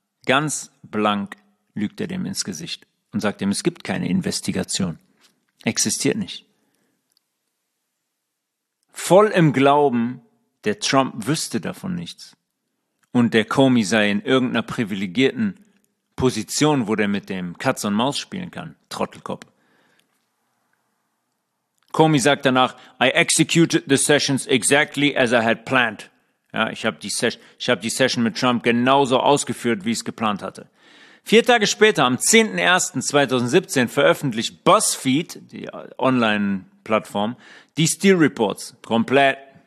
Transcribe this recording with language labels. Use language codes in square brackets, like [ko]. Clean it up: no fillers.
[de] Ganz blank lügt er dem ins Gesicht. Und sagt ihm, es gibt keine Investigation. Existiert nicht. Voll im Glauben, der Trump wüsste davon nichts. Und der Comey sei in irgendeiner privilegierten Position, wo der mit dem Katz und Maus spielen kann, Trottelkopf. Comey sagt danach, [en] I executed the sessions exactly as I had planned. [de] Ja, ich habe die Session mit Trump genauso ausgeführt, wie ich es geplant hatte. Vier Tage später, am 10.01.2017, veröffentlicht BuzzFeed, die Online-Plattform, die Steele Reports komplett.